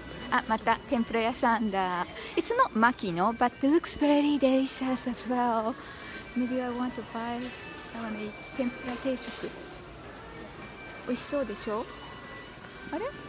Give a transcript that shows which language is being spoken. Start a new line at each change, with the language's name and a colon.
Japanese: あ、また天ぷら屋さんだ。
English: It's not Makino, but it looks very delicious as well. Maybe I want to buy, I want to eat 天ぷら定食。
Japanese: 美味しそうでしょ？あれ？